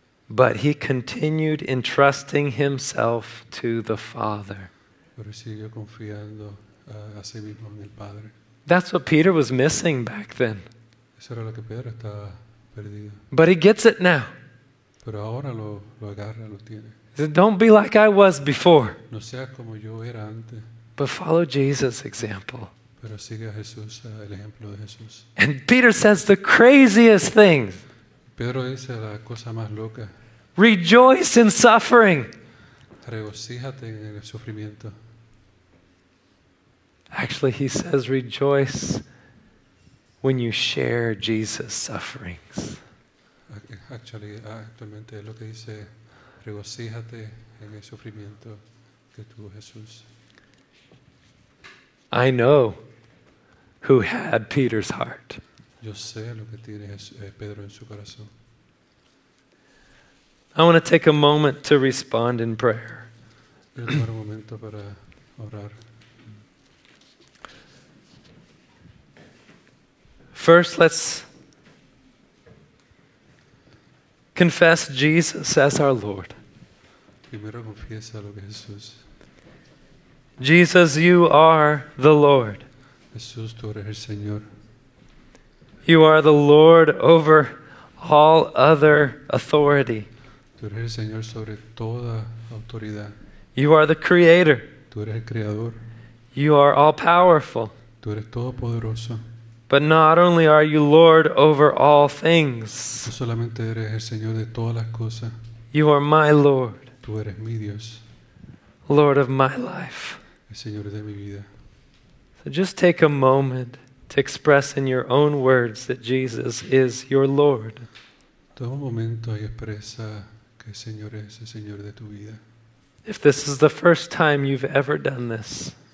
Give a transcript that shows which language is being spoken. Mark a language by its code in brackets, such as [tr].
[en] But he continued entrusting himself to the Father. [es] Pero siguió confiando a sí mismo en el Padre. [en] That's what Peter was missing back then. [es] Eso era lo que Pedro estaba perdido. [en] But he gets it now. [es] Pero ahora lo agarra, lo tiene. [en] He said, "Don't be like I was before." [es] No sea como yo era antes. [en] But follow Jesus' example. [es] Pero sigue a Jesús, el ejemplo de Jesús. [en] And Peter says the craziest things. [es] Pedro dice la cosa más loca. [en] Rejoice in suffering. [es] Regocíjate en el sufrimiento. [en] Actually, he says rejoice when you share Jesus' sufferings. Actually, [es] actualmente es lo que dice, regocíjate en el sufrimiento que tuvo Jesús. [en] I know who had Peter's heart. [es] Yo sé lo que tiene Pedro en su corazón. [en] I want to take a moment to respond in prayer. [es] Quiero tomar un momento para orar. [en] First, let's confess Jesus as our Lord. [es] Primero confiesa lo que Jesús. [en] Jesus, you are the Lord. [es] Jesús, tú eres el Señor. [en] You are the Lord over all other authority. [es] Tú eres el Señor sobre toda autoridad. [en] You are the Creator. [es] Tú eres el Creador. [en] You are all powerful. [es] Tú eres todopoderoso. [en] But not only are you Lord over all things. [es] No solamente eres el Señor de todas las cosas. [en] You are my Lord. [es] Tú eres mi Dios. [en] Lord of my life. [es] El Señor de mi vida. [en] So just take a moment to express in your own words that Jesus is your Lord. [es] Toma un momento y expresa que el Señor es el Señor de tu vida. [en] If this is the first time you've ever done this,